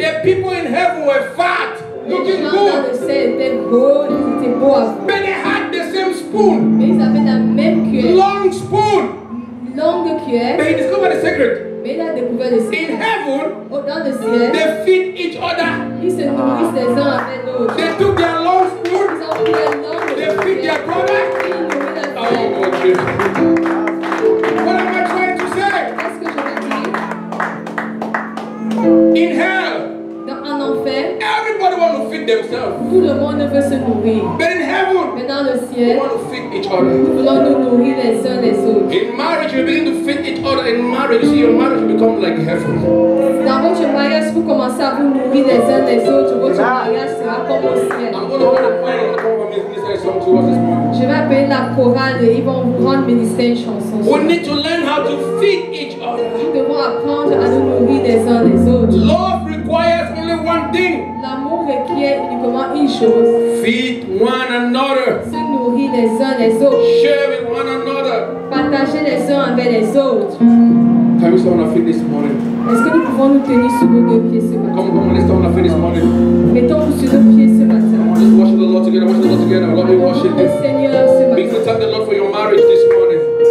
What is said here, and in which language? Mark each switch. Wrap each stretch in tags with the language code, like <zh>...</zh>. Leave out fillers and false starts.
<en>The people in heaven were fat, looking good.</en> <fr>Les gens dans le ciel étaient beaux, ils étaient beaux à voir.</fr> <en>But they had the same spoon.</en> <fr>Mais ils avaient la même cuillère.</fr> <en>Long spoon.</en> <fr>Longue cuillère.</fr> <en>But he discovered a secret.</en> <fr>Mais il a découvert le secret.</fr> <en>In heaven,</en> <fr>oh, dans le ciel,</fr> <en>they feed each other.</en> <fr>Ils se nourrissent les uns avec l'autre.</fr> <en>They took their long spoon.</en> <fr>Ils ont pris leur longue.</fr> <en>They feed their brother. What am I trying to say?</en> <fr>Qu'est-ce que je veux dire?</fr> <en>In hell,</en> <fr>dans un enfer,</fr> <en>everybody wants to feed themselves.</en> <fr>Tout le monde veut se nourrir.</fr> <en>But in heaven,</en> <fr>mais dans le ciel,</fr> <en>we want to feed each other.</en> <fr>Nous voulons nous nourrir les uns les autres.</fr> <en>In marriage, you begin to feed each other. In marriage, see, your marriage become like heaven.</en> <fr>Dans votre mariage, vous commencez à vous nourrir les uns les autres. Votre mariage sera comme au ciel.</fr> <en>I'm going to hold a prayer.</en> <fr>Je vais appeler la chorale et ils vont vous rendre ministère une chanson.</fr> <en>We need to learn how to feed each other.</en> <fr>Nous devons apprendre à nous nourrir les uns les autres.</fr> <en>Love requires only one thing.</en> <fr>L'amour requiert uniquement une chose.</fr> <en>Feed one another.</en> <fr>Se nourrir les uns les autres.</fr> <en>Share with one another.</en> <fr>Partager les uns avec les autres.</fr> <en>Can we stand on our feet this morning?</en> <fr>Est-ce que nous pouvons nous tenir sur nos deux pieds ce matin?</fr> <en>Come on, let's stand on our feet this morning.</en> <fr>Mettons-nous sur nos pieds ce matin.</fr> <en>Let's worship the Lord together. Let me worship Him. Begin to thank the Lord for your marriage this morning.</en>